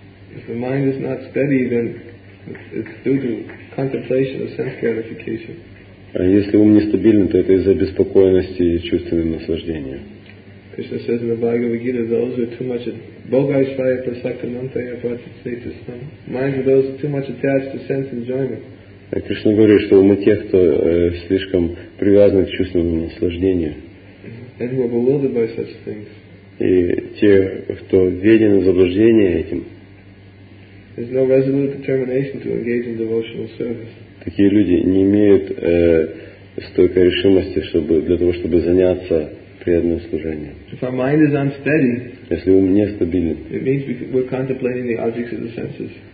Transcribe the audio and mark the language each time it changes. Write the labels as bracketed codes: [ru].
[en] If the mind is not steady, then it's due to contemplation of sense gratification. [ru] А если ум не стабилен, то это из-за беспокойности и чувственным наслаждением. [en] Krishna says in the Bhagavad Gita, those who are too much [sa] bogaishvaya prasakamantaya pratisvetas. [en] Minds of those too much attached to sense enjoyment. [ru] Krishna говорит, что умы тех, кто слишком привязаны к чувственному наслаждению. [en] And who are bewildered by such things. [ru] И те, кто введены в заблуждение этим. [en] There's no resolute determination to engage in devotional service. [ru] Такие люди не имеют стойкой решимости, чтобы для того, чтобы заняться преданное служение. [en] If our mind is unsteady, [ru] если ум не стабилен, [en] it means we're contemplating the objects of the senses.